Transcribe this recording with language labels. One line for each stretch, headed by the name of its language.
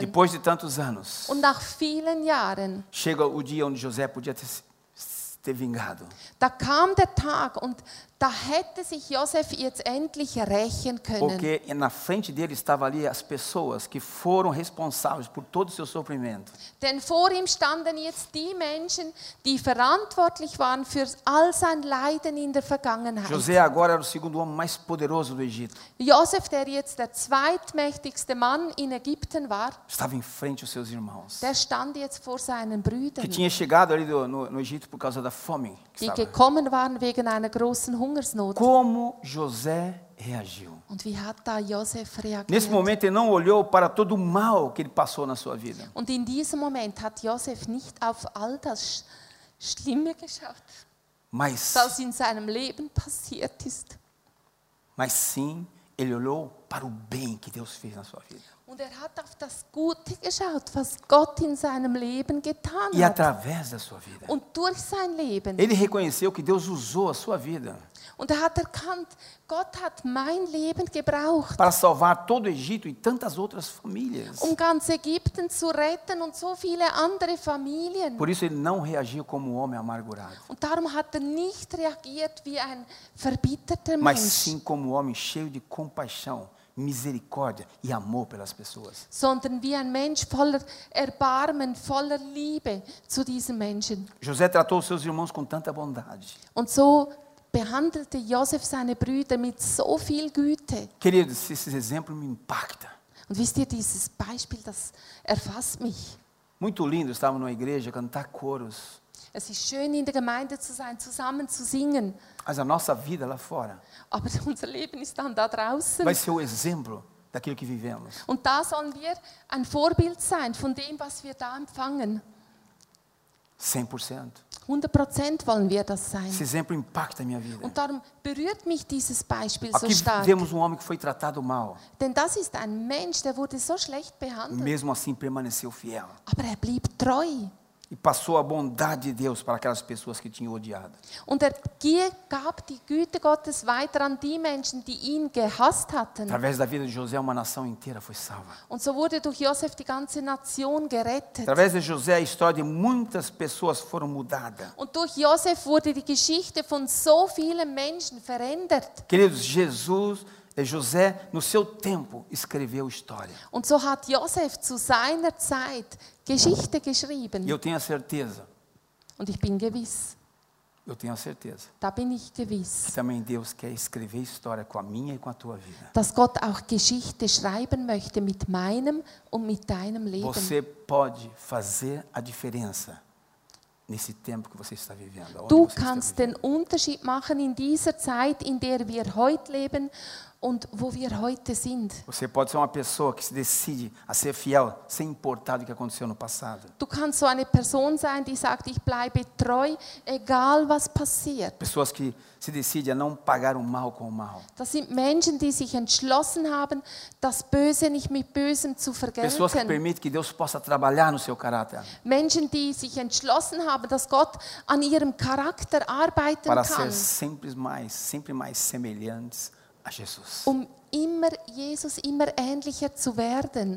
Portuguese: Depois de tantos anos,
German: und nach vielen Jahren
Portuguese: chega o dia onde José podia ter vingado.
German: Da kam der Tag und da hätte sich Josef jetzt endlich rächen können.
Portuguese: Porque na frente dele estavam ali as pessoas que foram responsáveis por todo o seu sofrimento.
German: Denn vor ihm standen jetzt die Menschen, die verantwortlich waren für all sein Leiden in der Vergangenheit.
Portuguese: José agora era o segundo homem mais poderoso do Egito.
German: Josef, der jetzt der zweitmächtigste Mann in Ägypten war,
Portuguese: estava em frente aos seus irmãos.
German: Der stand jetzt vor seinen Brüdern.
Portuguese: Que tinha chegado ali no Egito por causa da fome.
German: Die gekommen waren wegen einer großen Hungersnot.
Portuguese: Como José reagiu?
German: Und wie hat da Josef reagiert?
Portuguese: Nesse momento ele não olhou para todo o mal que ele passou na sua vida.
German: Und in diesem Moment hat Josef nicht auf all das Schlimme geschaut.
Portuguese: Mas,
German: das in seinem Leben passiert ist.
Portuguese: Mas sim, ele olhou para o bem que Deus fez na sua vida.
German: Und er hat auf das Gute geschaut, was Gott in seinem Leben getan
Portuguese: e através Da sua vida.
German: Und durch sein Leben.
Portuguese: Ele reconheceu que Deus usou a sua vida.
German: Und er hat erkannt, Gott hat mein Leben gebraucht.
Portuguese: Para salvar todo o Egito e tantas outras famílias.
German: Ganz Ägypten zu retten und so viele andere Familien.
Portuguese: Por isso ele não reagiu como homem amargurado.
German: Und darum hat nicht reagiert wie ein verbitterter
Portuguese: Mas
German: Mensch.
Portuguese: Sim como homem cheio de compaixão. misericórdia e amor pelas pessoas.
German: Sondern wie ein Mensch voller Erbarmen, voller Liebe zu diesen Menschen.
Portuguese: José tratou seus irmãos com tanta bondade.
German: Und so behandelte Josef seine Brüder mit so viel Güte.
Portuguese: Queridos, esse exemplo me impacta.
German: Und wisst ihr, dieses Beispiel, das erfasst mich.
Portuguese: Muito lindo, estava numa igreja cantar coros.
German: Es ist schön, in der Gemeinde zu sein, zusammen zu singen.
Portuguese: Mas a nossa vida lá fora.
German: Aber unser Leben ist dann da draußen.
Portuguese: Vai ser o exemplo daquilo que vivemos.
German: Und da sollen wir ein Vorbild sein von dem, was wir da empfangen.
Portuguese: 100%.
German: 100% wollen wir das sein.
Portuguese: Esse exemplo impacta a minha vida.
German: Und darum berührt mich dieses Beispiel
Portuguese: aqui
German: so stark.
Portuguese: Aqui vemos um homem que foi tratado mal.
German: Denn das ist ein Mensch, der wurde so schlecht behandelt.
Portuguese: Mesmo assim permaneceu fiel.
German: Aber er blieb treu.
Portuguese: E passou a bondade de Deus para aquelas pessoas que tinham odiado.
German: Und er gab die Güte Gottes weiter an die Menschen, die ihn gehasst hatten.
Portuguese: Através da vida de José, uma nação inteira foi salva.
German: Und so wurde durch Josef die ganze Nation gerettet.
Portuguese: Através de José, a história de muitas pessoas foram mudada.
German: Und durch Josef wurde die Geschichte von so vielen Menschen verändert.
Portuguese: Queridos, Jesus e José, no seu tempo, escreveu história.
German: Und so hat Josef zu seiner Zeit Geschichte geschrieben.
Portuguese: Eu tenho a certeza.
German: Und ich bin gewiss.
Portuguese: Eu tenho a certeza.
German: Da bin ich gewiss.
Portuguese: Também Deus quer escrever história com a minha e com a tua vida.
German: Dass Gott auch Geschichte schreiben möchte mit meinem und mit deinem Leben.
Portuguese: Você pode fazer a diferença nesse tempo que você está vivendo.
German: Du kannst den Unterschied machen in dieser Zeit, in der wir heute leben und wo wir heute sind.
Portuguese: Você pode ser uma pessoa que se decide a ser fiel, sem importar o que aconteceu no passado.
German: Du kannst so eine Person sein, die sagt, ich bleibe treu, egal was passiert.
Portuguese: Pessoas que se decidem a não pagar o mal com o mal.
German: Das sind Menschen, die sich entschlossen haben, das Böse nicht mit Bösem zu vergelten.
Portuguese: Pessoas que permitem que Deus possa trabalhar no seu caráter.
German: Menschen, die sich entschlossen haben, dass Gott an ihrem Charakter arbeiten kann.
Portuguese: Para ser sempre mais semelhantes a Jesus.
German: Immer Jesus, immer ähnlicher zu werden.